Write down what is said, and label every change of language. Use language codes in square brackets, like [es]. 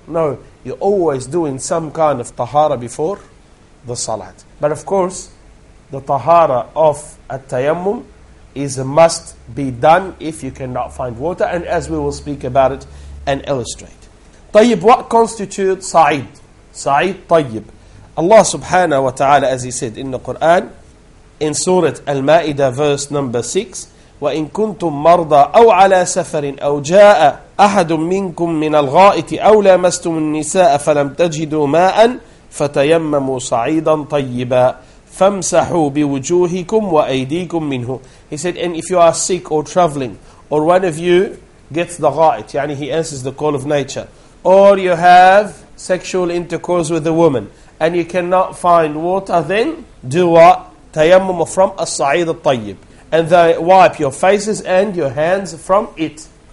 [en] No, you're always doing some kind of tahara before the salat. But of course, the tahara of at-tayammum is a must be done if you cannot find water, and as we will speak about it and illustrate. طيب, what constitutes صعيد? [ar] صعيد طيب. [en] Allah subhanahu wa ta'ala, as He said in the Quran, in Surah Al-Ma'idah, verse number 6, [ar] وَإِنْ كُنْتُمْ مَرْضَىٰ أَوْ عَلَىٰ سَفَرٍ أَوْ جَاءَ أَحَدٌ مِّنْكُمْ مِّنَ الْغَائِتِ أَوْ لَمَسْتُمُ النِّسَاءَ فَلَمْ تَجِدُوا مَاءً فَتَيَمَّمُوا صَعِيدًا طَيِّبًا فَامْسَحُوا بِوُجُوهِكُمْ وَأَيْدِيكُمْ مِّنْهُ. [en] He said, and if you are sick or traveling, or one of you gets the غائت, يعني he answers the call of nature, or you have sexual intercourse with a woman and you cannot find water, then do what? Tayammum from as-sa'id al-tayyib. And they wipe your faces and your hands from it.